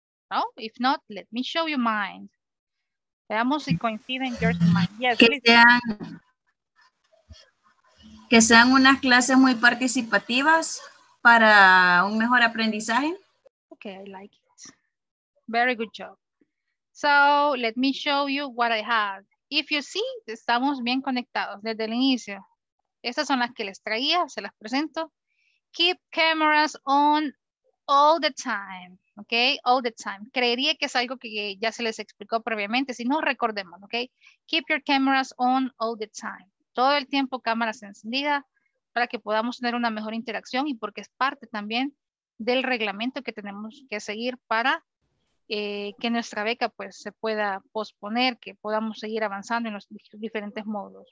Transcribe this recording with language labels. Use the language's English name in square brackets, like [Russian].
[English] No, if not, let me show you mine. [Spanish] Veamos si coinciden [English] yours and mine. Yes, [Spanish] que sean unas clases muy participativas para un mejor aprendizaje. [English] Okay, I like it. Very good job. So, let me show you what I have. If you see, [Spanish] estamos bien conectados desde el inicio. Estas son las que les traía, se las presento. [English] Keep cameras on all the time. Ok, all the time. [Spanish] Creería que es algo que ya se les explicó previamente, si no, recordemos, ok. [English] Keep your cameras on all the time. [Spanish] Todo el tiempo cámaras encendidas para que podamos tener una mejor interacción y porque es parte también del reglamento que tenemos que seguir para que nuestra beca pues se pueda posponer, que podamos seguir avanzando en los diferentes módulos.